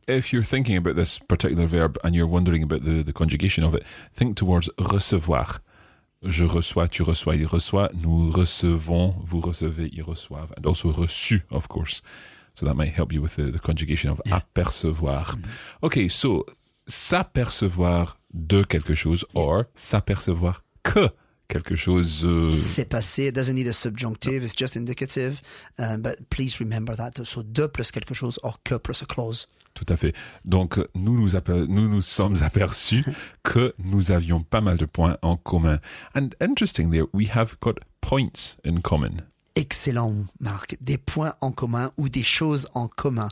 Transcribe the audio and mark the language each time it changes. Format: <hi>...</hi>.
<en>If you're thinking about this particular verb and you're wondering about the conjugation of it, think towards recevoir.</en> <fr>Je reçois, tu reçois, il reçoit. Nous recevons, vous recevez, ils reçoivent.</fr> <en>And also reçu, of course. So that might help you with the conjugation of apercevoir. Mm-hmm. Okay, so</en> <fr>s'apercevoir de quelque chose</fr> <en>or</en> <fr>s'apercevoir que quelque chose s'est passé.</fr> <en>It doesn't need a subjunctive, it's just indicative. But please remember that. So</en> <fr>de plus quelque chose</fr> <en>or que plus a clause.</en> <fr>Tout à fait. Donc nous sommes aperçus que nous avions pas mal de points en commun.</fr> <en>And interestingly, we have got points in common. Excellent, Marc.</en> <fr>Des points en commun ou des choses en commun.</fr>